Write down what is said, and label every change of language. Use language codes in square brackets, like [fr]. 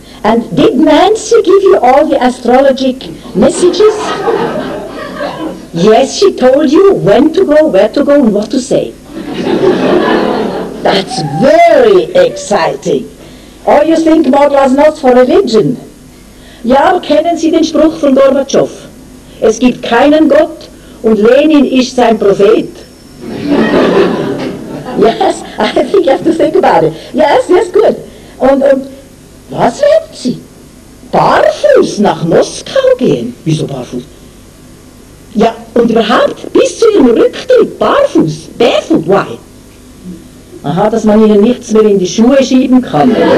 [en] And did Nancy give you all the astrologic messages? Yes, she told you when to go, where to go, and what to say. That's very exciting. All you think about was not for religion. [de] Ja, kennen Sie den Spruch von Gorbatschow? Es gibt keinen Gott und Lenin ist sein Prophet. [en] Yes, I think you have to think about it. Yes, yes, good. [de] Und was werden Sie? Barfuß nach Moskau gehen? Wieso barfuß? Ja, und überhaupt bis zu Ihrem Rücktritt, barfuß, [en] barefoot, why? [de] Aha, dass man Ihnen nichts mehr in die Schuhe schieben kann.